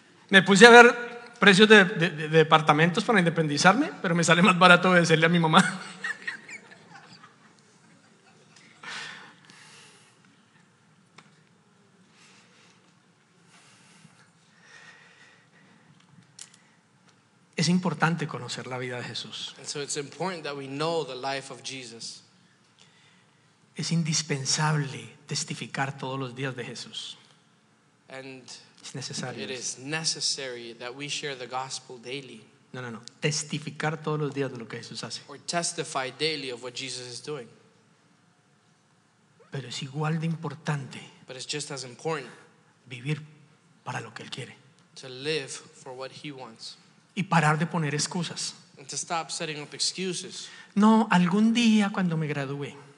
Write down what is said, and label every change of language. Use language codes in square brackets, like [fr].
[es] Me puse a ver precios de departamentos para independizarme, pero me sale más barato obedecerle a mi mamá. Es importante conocer la vida de Jesús. [en] And so it's important that we know the life of Jesus. [es] Es indispensable testificar todos los días de Jesús. [en] And [es] es necesario. [en] It is necessary that we share the gospel daily. [es] No. Testificar todos los días de lo que Jesús hace. [en] Or testify daily of what Jesus is doing. [es] Pero es igual de importante. [en] But it's just as important. [es] Vivir para lo que él quiere. [en] To live for what he wants. [es] Y parar de poner excusas. [en] And to stop setting up excuses. [es] No, algún día cuando me gradúe.